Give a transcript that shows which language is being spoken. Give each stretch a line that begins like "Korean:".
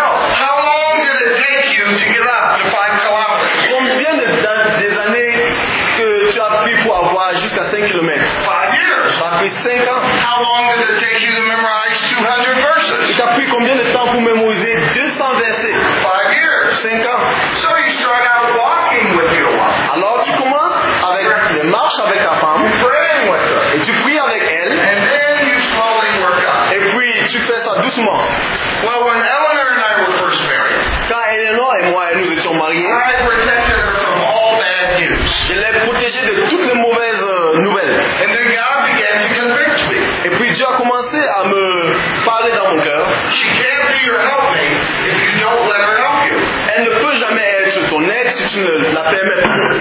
English: How long did it take you to get up to 5 kilometers?
French: Combien des années que tu as pris pour avoir jusqu'à 5 kilomètres?
English: 5 years.
French: Ça a pris 5 ans.
English: How long did it take you to memorize 200 verses?
French: Tu as pris combien de temps pour mémoriser 200 versets?
English: 5 years.
French: 5 ans.
English: So you start out walking with your wife.
French: Alors tu marches avec ta femme,
English: you're praying with her,
French: et tu pries avec elle,
English: and then you slowly work up.
French: Et puis tu fais ça doucement.
English: Well, when Eleanor and I were first married,
French: quand Eleanor et moi nous étions mariés,
English: I protected her from all bad news.
French: Je l'ai protégée de toutes les mauvaises nouvelles.
English: And then God began to convict me.
French: Et puis Dieu a commencé à me parler dans mon cœur.
English: She can't be your helpmate if you don't let her help you.
French: Elle ne peut jamais être ton aide si tu ne la permets pas.